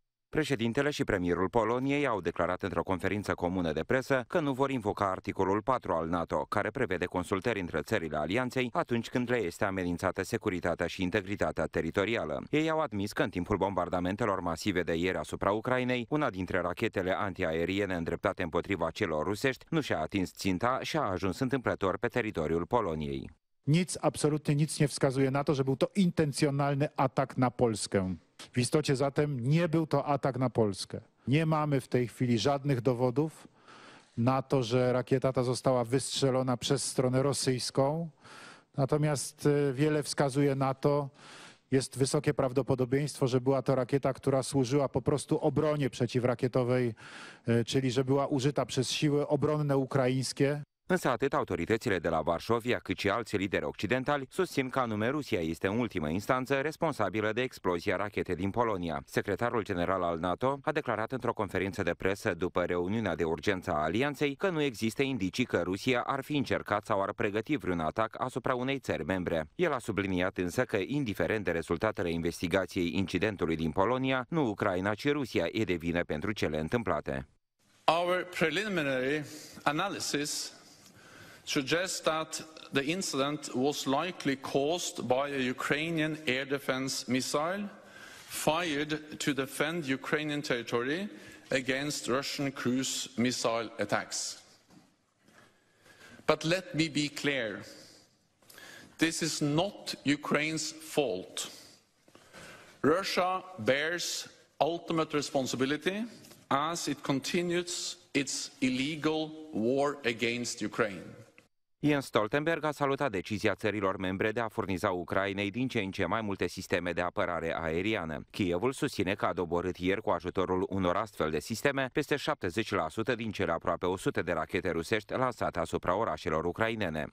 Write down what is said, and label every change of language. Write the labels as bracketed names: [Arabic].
[Romanian] Președintele și premierul Poloniei au declarat într-o conferință comună de presă că nu vor invoca articolul 4 al NATO, care prevede consultări între țările Alianței atunci când le este amenințată securitatea și integritatea teritorială. Ei au admis că în timpul bombardamentelor masive de ieri asupra Ucrainei, una dintre rachetele antiaeriene îndreptate împotriva celor rusești nu și-a atins ținta și a ajuns întâmplător pe teritoriul Poloniei. [Polish] Nic, absolut nic nu wskazuje na to, że był to intencjonalny atak na Polskę. W istocie zatem nie był to atak na Polskę. Nie mamy w tej chwili żadnych dowodów na to, że rakieta ta została wystrzelona przez stronę rosyjską. Natomiast wiele wskazuje na to, jest wysokie prawdopodobieństwo, że była to rakieta, która służyła po prostu obronie przeciwrakietowej, czyli że była użyta przez siły obronne ukraińskie. [Romanian] Însă atât autoritățile de la Varșovia, cât și alți lideri occidentali susțin că anume Rusia este în ultimă instanță responsabilă de explozia rachetei din Polonia. Secretarul general al NATO a declarat într-o conferință de presă după reuniunea de urgență a Alianței că nu există indicii că Rusia ar fi încercat sau ar pregăti vreun atac asupra unei țări membre. El a subliniat însă că, indiferent de rezultatele investigației incidentului din Polonia, nu Ucraina, ci Rusia e de vină pentru cele întâmplate. [English] Our preliminary analysis suggests that the incident was likely caused by a Ukrainian air defense missile fired to defend Ukrainian territory against Russian cruise missile attacks. But let me be clear. This is not Ukraine's fault. Russia bears ultimate responsibility as it continues its illegal war against Ukraine. [Romanian] Jens Stoltenberg a salutat decizia țărilor membre de a furniza Ucrainei din ce în ce mai multe sisteme de apărare aeriană. Kievul susține că a doborât ieri cu ajutorul unor astfel de sisteme peste 70% din cele aproape 100 de rachete rusești lansate asupra orașelor ucrainene.